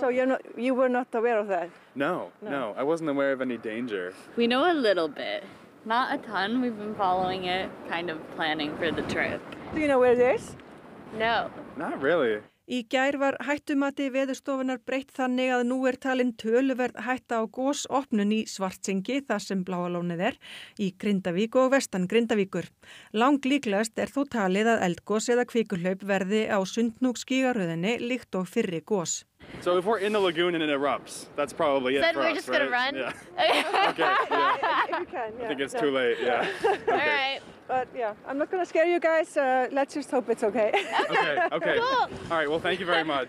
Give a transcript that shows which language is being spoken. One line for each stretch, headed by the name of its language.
English: So you were not aware of that? No. I wasn't aware of any danger. We know a little bit. Not a ton. We've been following it, kind of planning for the trip. Do you know where it is? No. Not really.
Icelandic: Í gær var hættumati veðurstofunar breytt þannig að nú talin töluverð hætta á gosopnun í Svartsengi, þar sem Bláa lónið í Grindavík og vestan Grindavíkur. Langlíklegast þó talið að eldgos eða kvikuhlaup verði á Sundhnúkskígaröðinni líkt og fyrri gos.
English: So if we're in the lagoon and it erupts, that's probably it then for us, right? Then we're just gonna run? Okay, yeah. If you can, yeah. I think it's too late, yeah. All right. But yeah, I'm not gonna scare you guys. Let's just hope it's okay. Okay, cool. All right, well, thank you very much.